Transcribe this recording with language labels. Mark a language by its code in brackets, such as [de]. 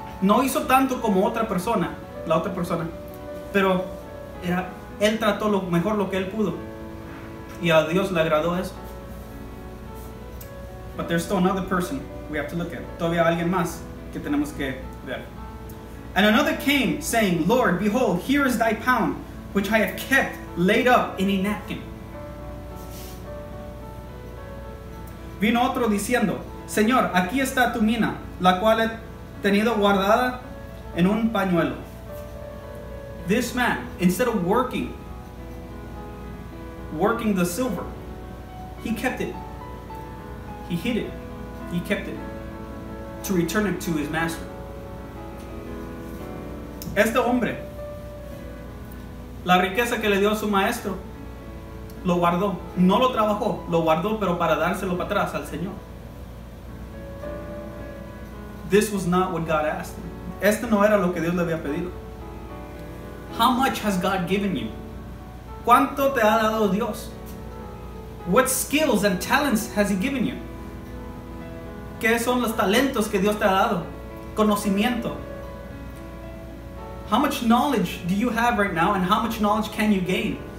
[es] No hizo tanto como otra persona, la otra persona, pero era, él trató lo mejor lo que él pudo. Y a Dios le agradó eso. [en] But there's still another person we have to look at. [es] Todavía alguien más que tenemos que ver. [en] And another came, saying, Lord, behold, here is thy pound, which I have kept laid up in a napkin. [es] Vino otro diciendo, Señor, aquí está tu mina, la cual he tenido guardada en un pañuelo. [en] This man, instead of working the silver, he kept it. He hid it. He kept it to return it to his master. [es] Este hombre, la riqueza que le dio su maestro, lo guardó. No lo trabajó, lo guardó, pero para dárselo para atrás al Señor. [en] This was not what God asked. [es] Este no era lo que Dios le había pedido. [en] How much has God given you? [es] ¿Cuánto te ha dado Dios? [en] What skills and talents has he given you? [es] ¿Qué son los talentos que Dios te ha dado? Conocimiento. [en] How much knowledge do you have right now and how much knowledge can you gain?